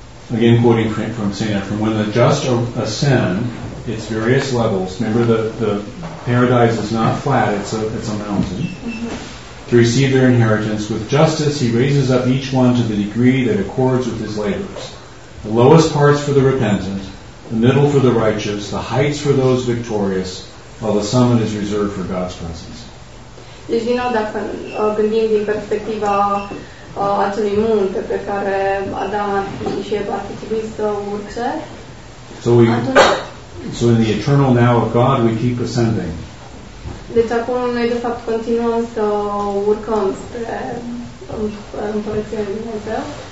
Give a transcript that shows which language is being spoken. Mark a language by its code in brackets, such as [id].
[en] again, quoting from Saint Ephrem, when the just ascend its various levels, remember the paradise is not flat, it's a mountain, to receive their inheritance, with justice he raises up each one to the degree that accords with his labors. The lowest parts for the repentant, the middle for the righteous, the heights for those victorious, while the summit is reserved for God's presence. [ro] Deci, din nou, dacă gândim din perspectiva acelui munte pe care Adam și Eva ar fi trebuit să urce, [en] so in the eternal now of God, we keep ascending. [ro] Deci, acum, noi, de fapt, continuăm să urcăm spre Împărăția lui Dumnezeu.